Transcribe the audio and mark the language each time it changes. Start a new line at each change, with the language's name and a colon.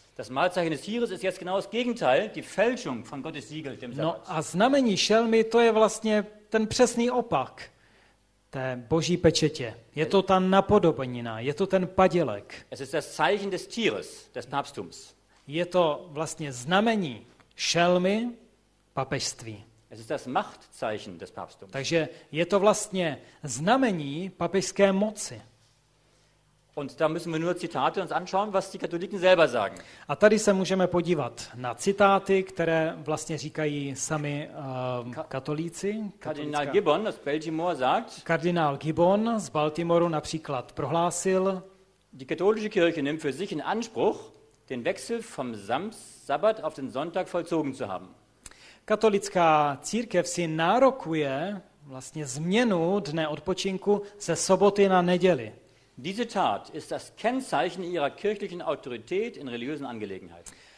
German: Das Malzeichen des Tieres ist jetzt genau das Gegenteil, die Fälschung von Gottes Siegel, dem Sabbat.
Czech: No a znamení šelmy, to je vlastně ten přesný opak té Boží pečetě. Je to ta napodobenina, je to ten padělek.
German: Es ist das Zeichen des Tieres, des Papsttums.
Czech: Je to vlastně znamení šelmy papežství.
German: Es ist das Machtzeichen des Papsttums.
Czech: Takže je to vlastně znamení papežské moci.
German: Und da müssen wir nur Zitate uns anschauen, was die Katholiken selber sagen.
Czech: A tady se můžeme podívat na citáty, které vlastně říkají sami katolíci.
German: Kardinál Gibbon aus Baltimore sagt.
Czech: Kardinál Gibbon z Baltimoru například prohlásil:
German: Die katholische Kirche nimmt für sich in Anspruch, den Wechsel vom Sabbat auf den Sonntag vollzogen zu haben.
Czech: Katolická církev si nárokuje vlastně změnu dne odpočinku ze soboty na neděli.
German: Diese Tat ist das Kennzeichen ihrer kirchlichen Autorität in religiösen Angelegenheiten.